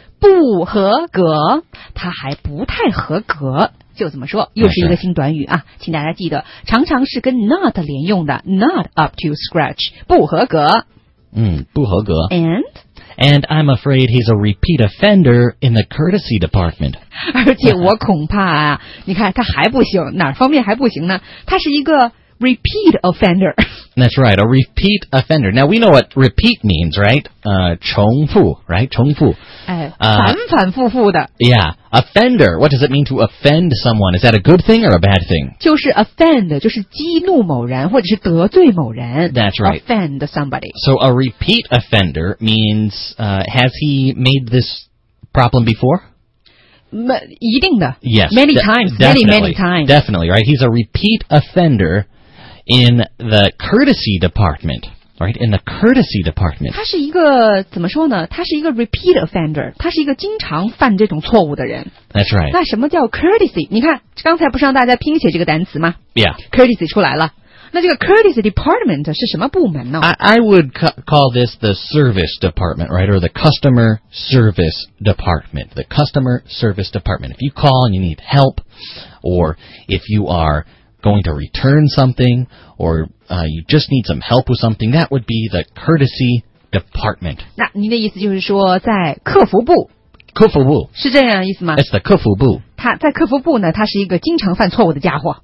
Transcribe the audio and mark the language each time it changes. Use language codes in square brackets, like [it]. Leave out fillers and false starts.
[zh] 不合格他还不太合格。就怎么说又是一个新短语啊请大家记得常常是跟 not 连用的 [en] not up to scratch, [zh] 不合格。不合格。 [en] And I'm afraid he's a repeat offender in the courtesy department. [zh] 而且我恐怕啊，你看他还不行，哪方面还不行呢？他是一个 repeat offender. [en] That's right, a repeat offender. Now we know what repeat means, right? [zh] 重复 right? 重复。反反复复的。 [en] Yeah, offender. What does it mean to offend someone? Is that a good thing or a bad thing? [zh] 就是 offend, 就是激怒某人或者是得罪某人。 [en] That's right. Offend somebody. So a repeat offender means, has he made this problem before? [zh] 一定的 [en] yes, many times, many, many times. Definitely, right? He's a repeat offender in the courtesy department, right? In the courtesy department. [zh] 他是一个怎么说呢？他是一个 repeat offender. 他是一个经常犯这种错误的人。 [en] That's right. [zh] 那什么叫 courtesy? 你看，刚才不是让大家拼写这个单词吗？ [en] Yeah. [zh] Courtesy 出来了。那这个 Courtesy Department 是什么部门呢？ [en] I would call this the Service Department, right? Or the Customer Service Department. The Customer Service Department. If you call and you need help, or if you are going to return something, or you just need some help with something, that would be the Courtesy Department. [zh] 那您的意思就是说在客服部。客服部是这样意思吗 [en] ？It's the 客服部。 [zh] 他在客服部呢，他是一个经常犯错误的家伙。